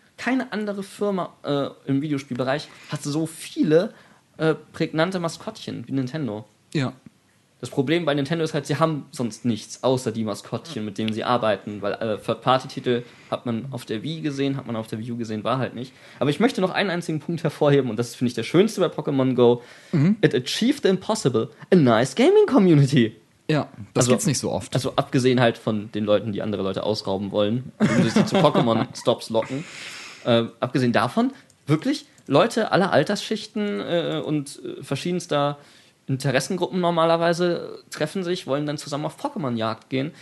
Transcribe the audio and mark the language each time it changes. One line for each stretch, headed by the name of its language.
German: Keine andere Firma im Videospielbereich hat so viele prägnante Maskottchen wie Nintendo. Ja. Das Problem bei Nintendo ist halt, sie haben sonst nichts, außer die Maskottchen, mit denen sie arbeiten. Weil Third-Party-Titel hat man auf der Wii gesehen, hat man auf der Wii U gesehen, war halt nicht. Aber ich möchte noch einen einzigen Punkt hervorheben, und das ist, finde ich, der schönste bei Pokémon Go. Mhm.
English: It achieved the impossible, a nice gaming community.
German: Ja, das gibt's nicht so oft. Also abgesehen halt von den Leuten, die andere Leute ausrauben wollen, um sie zu Pokémon-Stops locken. Abgesehen davon, wirklich Leute aller Altersschichten und verschiedenster Interessengruppen normalerweise treffen sich, wollen dann zusammen auf Pokémon-Jagd gehen.